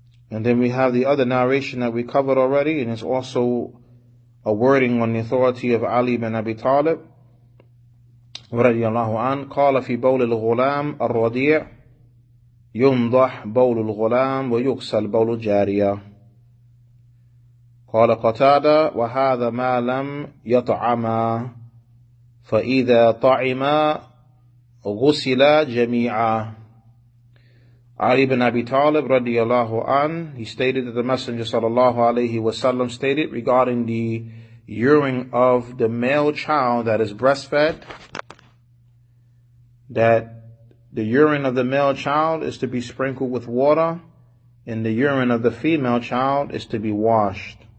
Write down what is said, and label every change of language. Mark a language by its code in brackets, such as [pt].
[en] And then we have the other narration that we covered already, and it's also a wording on the authority of Ali bin Abi Talib radiyallahu an. [ar] قال في بول الغلام الرضيع يمضح بول الغلام ويغسل بول الجارية. قال قتادة وهذا ما لم يطعما فإذا طعما غسل جميعا. [en] Ali ibn Abi Talib radiyallahu an, he stated that the Messenger sallallahu alayhi wasallam stated regarding the urine of the male child that is breastfed, that the urine of the male child is to be sprinkled with water, and the urine of the female child is to be washed.